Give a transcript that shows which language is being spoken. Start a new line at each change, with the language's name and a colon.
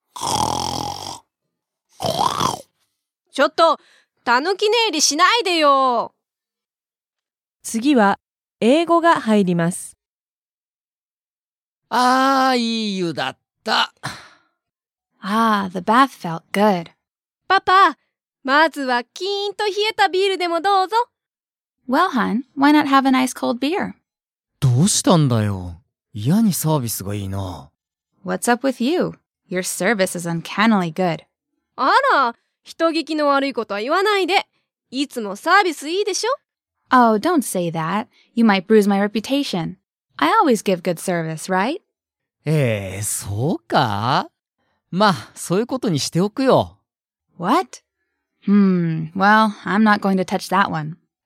Japanese: ちょっと、たぬき寝入りしないでよ。次は、英語が入ります。ああ、いい湯だった。
English: ああ、the bath felt good.
Japanese: パパ、まずはキーンと冷えたビールでもどうぞ。
English: Well, hon, why not have a nice cold beer?
Japanese: どうしたんだよ。嫌にサービスがいいな。
English: What's up with you? Your service is uncannily good.
Japanese: あら、人聞きの悪いことは言わないで。いつもサービスいいでしょ。
English: Oh, don't say that. You might bruise my reputation. I always give good service, right?
Japanese: そうか。まあ、そういうことにしておくよ。
English: What? Well, I'm not going to touch that one.